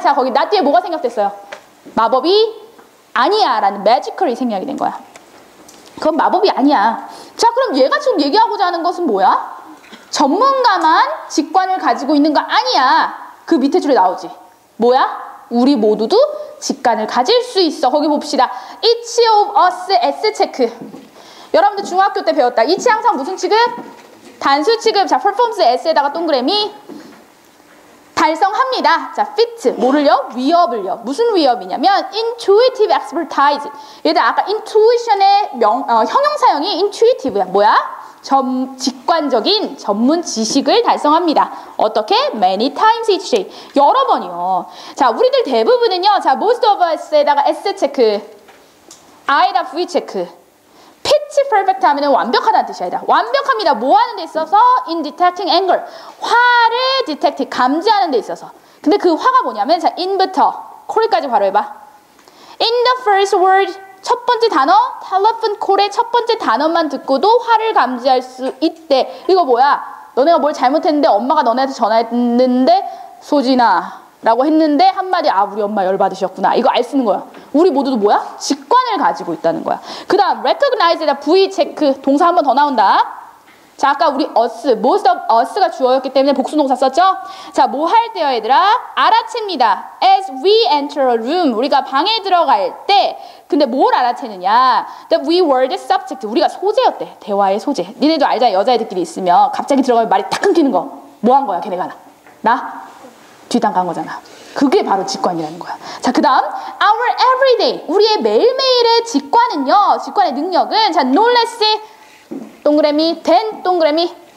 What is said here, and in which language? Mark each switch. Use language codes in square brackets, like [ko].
[ko] 자, 거기 not 뒤에 뭐가 생각됐어요? 마법이 아니야. 라는 magical이 생략이 된 거야. 그건 마법이 아니야. 자, 그럼 얘가 지금 얘기하고자 하는 것은 뭐야? 전문가만 직관을 가지고 있는 거 아니야. 그 밑에 줄에 나오지. 뭐야? 우리 모두도 직관을 가질 수 있어. 거기 봅시다. [en] Each of us S 체크. [ko] 여러분들 중학교 때 배웠다. Each 항상 무슨 취급? 단수 취급. 자, performs S에다가 동그라미. 달성합니다. 자, fit. 뭐를요? 위협을요. 무슨 위협이냐면 [en] intuitive expertise. [ko] 얘들 아까 intuition의 형용사형이 intuitive야. 뭐야? 직관적인 전문 지식을 달성합니다. 어떻게? [en] Many times each day. [ko] 여러 번이요. 자, 우리들 대부분은요. 자, [en] most of us [ko] 에다가 S 체크. I다 V 체크. Pitch perfect 하면은 완벽하다는 뜻이야. 얘들아. 완벽합니다. 뭐 하는 데 있어서? [en] In detecting anger. [ko] 화를 detect, 감지하는 데 있어서. 근데 그 화가 뭐냐면, 자, in부터. call까지 바로 해봐. [en] In the first word. [ko] 첫 번째 단어, telephone call의 첫 번째 단어만 듣고도 화를 감지할 수 있대. 이거 뭐야? 너네가 뭘 잘못했는데 엄마가 너네한테 전화했는데 소진아 라고 했는데 한마디 아 우리 엄마 열받으셨구나. 이거 알 수 있는 거야. 우리 모두도 뭐야? 직관을 가지고 있다는 거야. 그 다음 recognize에다 V 체크 동사 한 번 더 나온다. 자, 아까 우리 us, most of us가 주어였기 때문에 복수동사 썼죠? 자, 뭐 할 때요, 얘들아? 알아챕니다. [en] As we enter a room, [ko] 우리가 방에 들어갈 때, 근데 뭘 알아채느냐? [en] That we were the subject, [ko] 우리가 소재였대. 대화의 소재. 니네도 알잖아, 여자애들끼리 있으면. 갑자기 들어가면 말이 탁 끊기는 거. 뭐 한 거야, 걔네가? 나? 뒷담 간 거잖아. 그게 바로 직관이라는 거야. 자, 그 다음 [en] our everyday, [ko] 우리의 매일매일의 직관은요, 직관의 능력은 자, no less 동그라미, then 동그라미